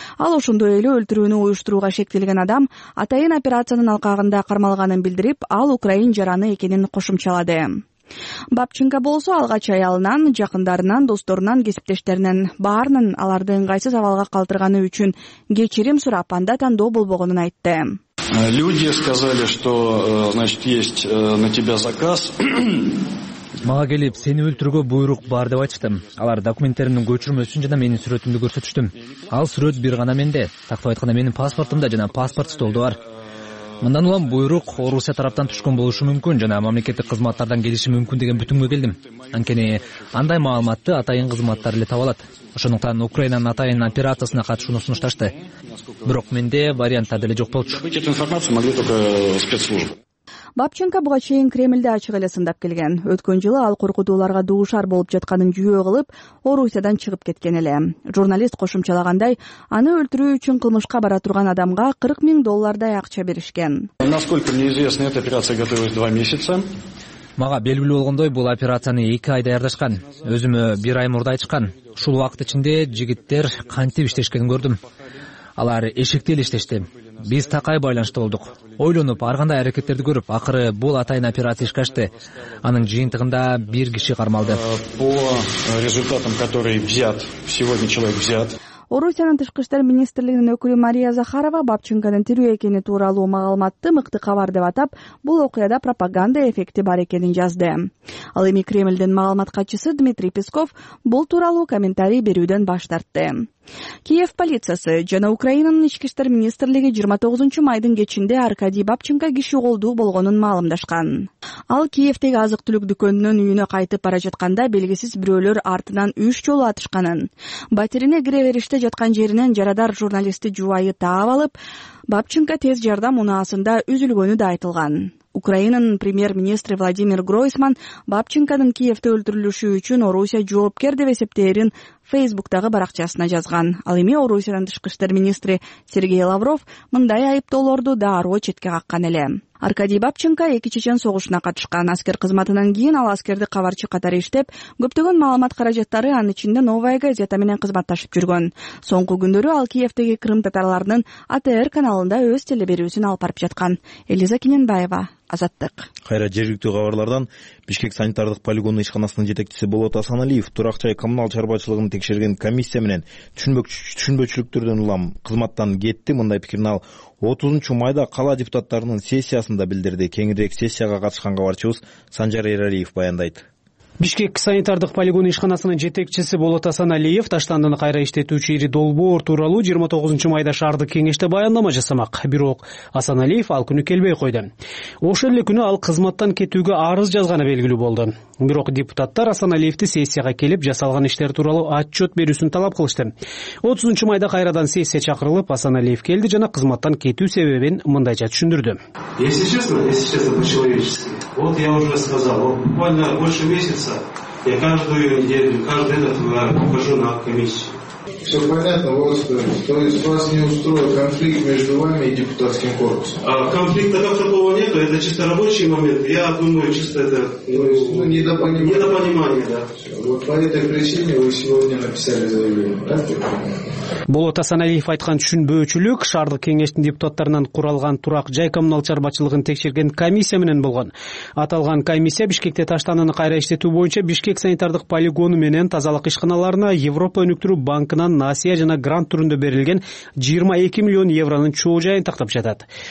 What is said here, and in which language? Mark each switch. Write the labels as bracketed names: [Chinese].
[Kyrgyz] Ал ошондой эле өлтүрүүнү уюштурууга шектелген адам атайын операциянын алкагында кармалганын билдирип, ал украин жараны экенин кошумчалады. Бабченко болсо алгач аялынан, жакындарынан, досторунан, кесиптештеринен баарынан аларды ыңгайсыз абалга калтырганы үчүн кечирим сурап, анда тандоо болбогонун айтты. [Russian] Люди сказали, что, значит, есть на тебя заказ. [Kyrgyz] Мага келип, сени өлтүрүүгө буйрук бар деп айтыштым. Алар документтеримдин көчүрмөсүн жана менин сүрөтүмдү көрсөтүштүм. Ал сүрөт бир гана менде, тактап айтканда менин паспортумда жана паспорт столдо бар. Мындан улам буйрук Орусия тараптан түшкөн болушу мүмкүн жана мамлекеттик кызматтардан келиши мүмкүн деген бүтүмгө келдим. Анткени андай маалыматты атайын кызматтар эле таба алат. Ошондуктан Украинанын атайын операциясына катышууну сунушташты. Бирок менде варианттар деле жок болчу. Бабченко буга чейин Кремлде ачык эле сындап келген. Өткөн жылы ал коркутууларга дуушар болуп жатканын жүйө кылып, Орусиядан чыгып кеткен эле. Журналист кошумчалагандай, аны өлтүрүү үчүн кылмышка бара турган адамга 40,000 доллардай акча беришкен. [Russian] Насколько мне известно, эта операция готовилась 2 месяца. [Kyrgyz] Мага белгилүү болгондой, бул операцияны 2 ай даярдашкан. Өзүмө 1 ай мурда айтышкан. Ушул убакыт ичинде жигиттер кантип иштешкенин көрдүм. Алар эшикте эле иштешти. Биз такай байланышта болдук. Ойлонуп, ар кандай аракеттерди көрүп, акыры бул атайын операция ишке ашты. Анын жыйынтыгында бир киши кармалды. [Russian] По результатам, которые взят, сегодня человек взят. [Kyrgyz] Орусиянын тышкы иштер министрлигинин өкүлү Мария Захарова Бабченконун тирүү экени тууралуу маалыматты мыкты кабар деп атап, бул окуяда пропаганда эффекти бар экенин жазды. Ал эми Кремлдин маалымат катчысы Дмитрий Песков бул тууралуу комментарий берүүдөн баш тартты. Киев полициясы жана Украинанын ички иштер министрлиги 29 майдын кечинде Аркадий Бабченко киши колдуу болгонун маалымдашкан. Ал Киевтеги азык түлүк дүкөнүнөн үйүнө кайтып бара жатканда белгисиз бирөөлөр артынан 3 жолу атышканын, батирине кире бериште жаткан жеринен жарадар журналисти жубайы таап алып, Бабченко тез жардам унаасында үзүлгөнү да айтылган. Украинанын премьер-министри Владимир Гройсман Бабченконун Киевте өлтүрүлүшү үчүн Орусия жоопкер деп эсептээрин Facebook-тагы баракчасына жазган. Ал эми Орусиянын тышкы иштер министри Сергей Лавров мындай айыптоолорду дароо четке каккан эле. Аркадий Бабченко 2 Чечен согушуна катышкан. Аскер кызматынан кийин ал аскердик кабарчы катары иштеп, көптөгөн маалымат каражаттары анын ичинде Новая газета менен кызматташып жүргөн. Соңку күндөрү ал Киевтеги Крым татарларынын АТР каналында өз телеберүүсүн алып барып жаткан. Элиза Кененбаева, Азаттык. Кайра жергиликтүү кабарлардан Бишкек санитардык полигонунун ишканасынын жетекчиси Болот Асаналиев турак жай коммунал чарбачылыгын текшерген комиссия менен түшүнбөчүлүктөрдөн улам кызматтан кетти. Мындай пикирин ал 30 майда калаа депутаттарынын сессиясында билдирди. Кеңирээк сессияга катышкан кабарчыбыз Санжар Эралиев баяндайт. Бишкек санитардык полигону ишканасынын жетекчиси Болот Асаналиев таштандыны кайра иштетүүчү ири долбоор тууралуу 29 майда шаардык кеңеште баяндама жасамак. Бирок Асаналиев ал күнү келбей койду. Ошол эле күнү ал кызматтан кетүүгө арыз жазганы белгилүү болду. Бирок депутаттар Асаналиевди сессияга келип жасалган иштер тууралуу отчет берүүсүн талап кылышты. 30 майда кайрадан сессия чакырылып, Асаналиев келди жана кызматтан кетүү себебин мындайча түшүндүрдү. [Russian] Если честно, по-человечески, вот я уже сказал, буквально больше месяца я каждую неделю, каждый этот выхожу на комиссию. Все понятно, то есть вас не устроил конфликт между вами и депутатским корпусом? А конфликта как такого нету, это чисто рабочий момент, я думаю, чисто это недопонимание. Вот по этой причине вы сегодня написали заявление, так? [Kyrgyz] Болот Асаналиев айткан түшүнбөөчүлүк шаардык кеңештин депутаттарынан куралган турак жай коммунал чарбачылыгын текшерген комиссия менен болгон. Аталган комиссия Бишкекте таштанын кайра иштетүү боюнча Бишкек санитардык полигону менен тазалык ишканаларына Европа өнүктүрүү банкынан насия жана грант түрүндө берилген 22 миллион евронун чоо жайын тактап жатат.